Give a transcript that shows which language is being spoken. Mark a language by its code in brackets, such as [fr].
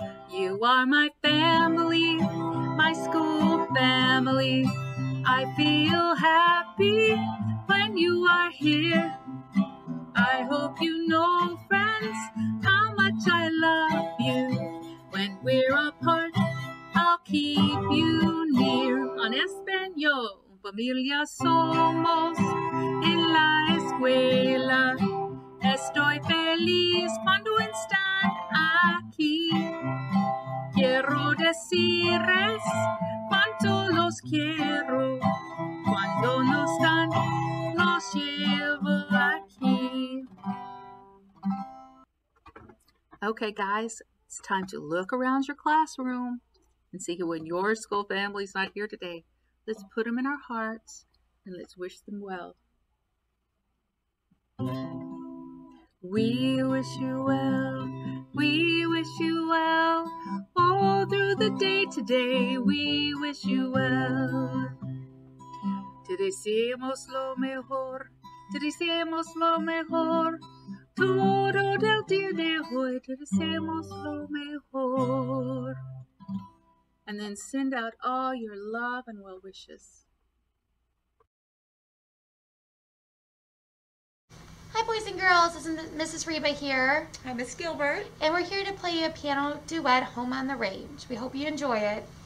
[en] You are my family, my school family. I feel happy when you are here. I hope you know, friends, how much I love you. When we're apart, I'll keep you near. [es] En español, familia somos en la escuela. Estoy feliz cuando están aquí. Quiero decirles cuánto los quiero. Cuando no están, los llevo aquí. [en] Okay, guys, it's time to look around your classroom and see who in your school family is not here today. Let's put them in our hearts and let's wish them well. We wish you well, we wish you well. All through the day today, we wish you well. [es] Te deseamos lo mejor, te deseamos lo mejor. Todo del día de hoy, te deseamos lo mejor. [en] And then send out all your love and well wishes. Hi, boys and girls. This is Mrs. Reba here. Hi, Miss Gilbert. And we're here to play a piano duet, Home on the Range. We hope you enjoy it.